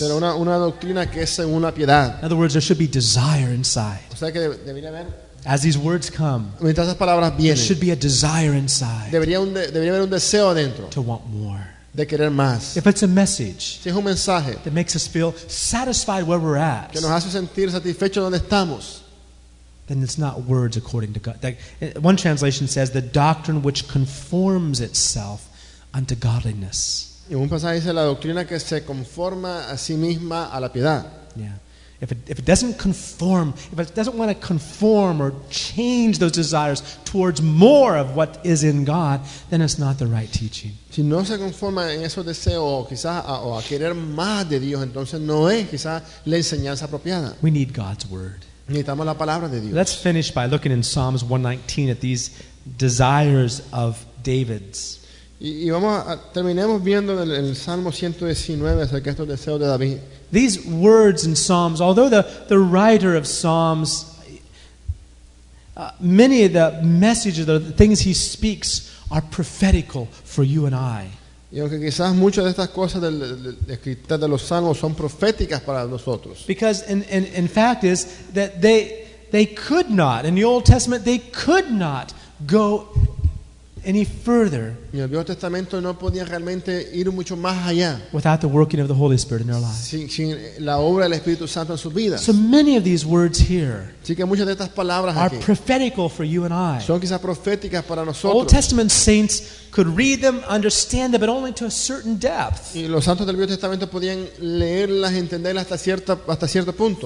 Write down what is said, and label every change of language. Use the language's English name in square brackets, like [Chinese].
[Spanish] Pero una doctrina que es según la piedad. [English] In other words, there should be desire inside. [Spanish] O sea que debería haber, [English] as these words come, [Spanish] mientras esas palabras vienen, [English] there should be a desire inside. [Spanish] Debería haber un deseo adentro. [English] To want more. [Spanish] De querer más. [English] If it's a message, [Spanish] si es un mensaje, [English] that makes us feel satisfied where we're at, [Spanish] que nos hace sentir satisfechos donde estamos, [English] then it's not words according to God. One translation says the doctrine which conforms itself unto godliness. [Spanish] Y un pasaje dice la doctrina que se conforma a sí misma a la piedad. [English] Yeah. If it doesn't conform, if it doesn't want to conform or change those desires towards more of what is in God, then it's not the right teaching. [Spanish] Si no se conforma en esos deseos, quizás a querer más de Dios, entonces no es quizás la enseñanza apropiada. [English] We need God's word. [Spanish] Necesitamos la palabra de Dios. [English] Let's finish by looking in Psalms 119 at these desires of David's. [Spanish] Y vamos a terminemos viendo en el Salmo 119 acerca de estos deseos de David. [English] These words in Psalms, although the writer of Psalms, many of the messages, the things he speaks are prophetical for you and I. [Spanish] Y aunque quizás muchas de estas cosas de los Salmos son proféticas para nosotros. [English] Because in fact is that they could not, in the Old Testament, they could not go any further [Spanish] y el Viejo Testamento no podía realmente ir mucho más allá [English] without the working of the Holy Spirit in their lives. [Spanish] Sin la obra del Espíritu Santo en sus vidas. [English] So many of these words here, [Spanish] así que muchas de estas palabras [English] are [Spanish] aquí [English] prophetical for you and I. [Spanish] Son quizás proféticas para nosotros. [English] Old Testament saints could read them, understand them, but only to a certain depth. [Spanish] Y los santos del Viejo Testamento podían leerlas, entenderlas hasta cierto punto.